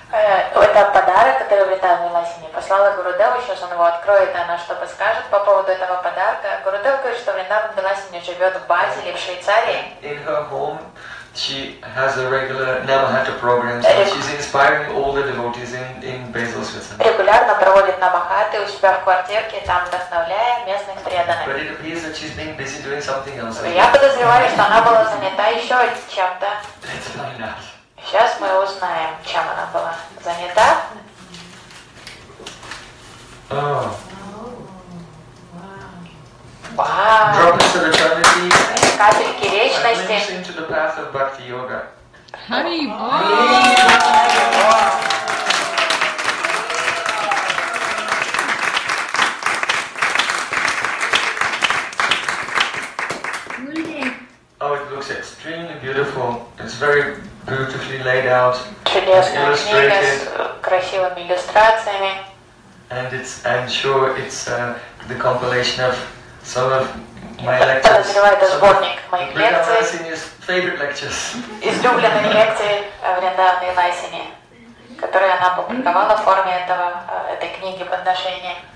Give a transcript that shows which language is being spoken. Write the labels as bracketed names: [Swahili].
[Russian] Это подарок, который Вритан Миласини послала Гурудеву, сейчас он его откроет, и она что-то скажет по поводу этого подарка. Гурудев говорит, что Вритан Миласини живет в Базеле, в Швейцарии. [English] In her home, she has a regular Namahata program, so she's inspiring all the devotees in Basel, Switzerland. [Russian] Регулярно проводит Намахаты у себя в квартирке, там вдохновляя местных преданных. [English] But it appears that she's been busy doing something else. [Russian] Но я подозреваю, что она была занята еще чем-то. [English] Let's find out. [Russian] Сейчас мы узнаем, чем она была занята. [English] Droplets of eternity. [Russian] Капельки вечности. [English] Admission to the path of bhakti yoga. Hari Bol. Yeah. Oh, it looks extremely beautiful. It's very beautifully laid out. [Russian] Красивыми иллюстрациями. [English] And I'm sure it's the compilation of some of my lectures. [Russian] Это сборник моих лекций. [English] Vrindavan's favorite lectures. [Russian] Излюбленные лекции Вриндавана Миласини, которые она опубликовала в форме этой книги подношения.